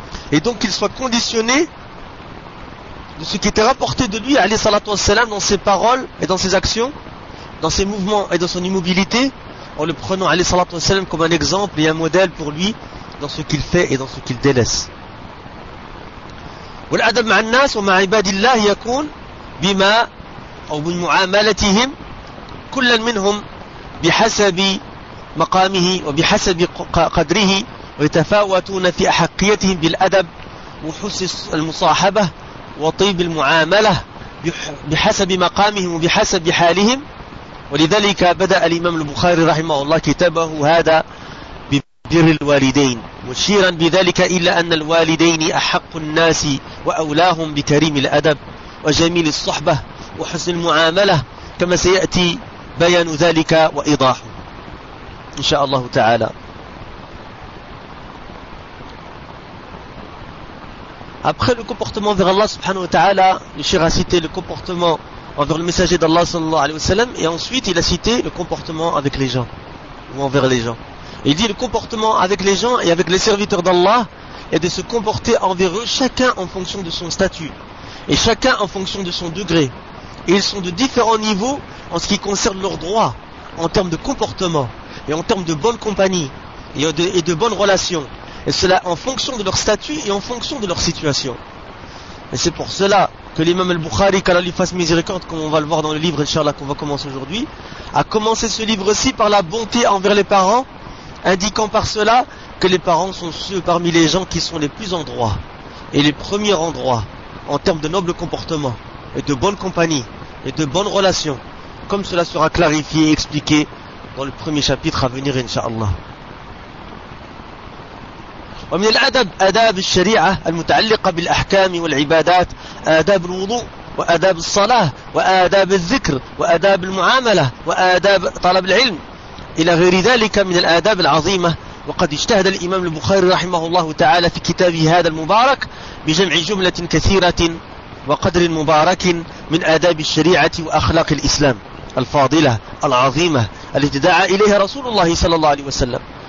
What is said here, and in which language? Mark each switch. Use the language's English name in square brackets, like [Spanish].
[French] Et donc qu'il soit conditionné de ce qui était rapporté de lui, alayhi salatu wassalam, dans ses paroles et dans ses actions, dans ses mouvements et dans son immobilité, en le prenant, alayhi salatu wassalam, comme un exemple et un modèle pour lui dans ce qu'il fait et dans ce qu'il délaisse. [Arabic] والأدب مع الناس ومع عباد الله يكون بما أو بمعاملتهم كل منهم بحسب مقامه وبحسب قدره ويتفاوتون في أحقيتهم بالأدب وحسن المصاحبة وطيب المعاملة بحسب مقامهم وبحسب حالهم ولذلك بدأ الإمام البخاري رحمه الله كتابه هذا بر الوالدين مشيرا بذلك إلا أن الوالدين أحق الناس وأولاهم بكريم الأدب وجميل الصحبة وحسن المعاملة كما سيأتي بيان ذلك وإيضاحه إن شاء الله تعالى. [French] Après le comportement vers Allah subhanahu wa ta'ala, le shir a cité le comportement envers le messager d'Allah sallallahu alayhi wa sallam, et ensuite il a cité le comportement avec les gens ou envers les gens. Il dit le comportement avec les gens et avec les serviteurs d'Allah est de se comporter envers eux chacun en fonction de son statut et chacun en fonction de son degré. Et ils sont de différents niveaux en ce qui concerne leurs droits, en termes de comportement et en termes de bonne compagnie et de bonnes relations. Et cela en fonction de leur statut et en fonction de leur situation. Et c'est pour cela que l'imam al-Bukhari, qu'Allah lui fasse miséricorde, comme on va le voir dans le livre, Inch'Allah, qu'on va commencer aujourd'hui, a commencé ce livre-ci par la bonté envers les parents, indiquant par cela que les parents sont ceux parmi les gens qui sont les plus en droit et les premiers en droit en termes de noble comportement et de bonne compagnie et de bonnes relations, comme cela sera clarifié et expliqué dans le premier chapitre à venir, Inch'Allah. [Arabic] ومن الأدب آداب الشريعة المتعلقة بالأحكام والعبادات، آداب الوضوء وآداب الصلاة وآداب الذكر وآداب المعاملة وآداب طلب العلم إلى غير ذلك من الآداب العظيمة. وقد اجتهد الإمام البخاري رحمه الله تعالى في كتابه هذا المبارك بجمع جملة كثيرة وقدر مبارك من آداب الشريعة وأخلاق الإسلام الفاضلة العظيمة التي دعا إليها رسول الله صلى الله عليه وسلم.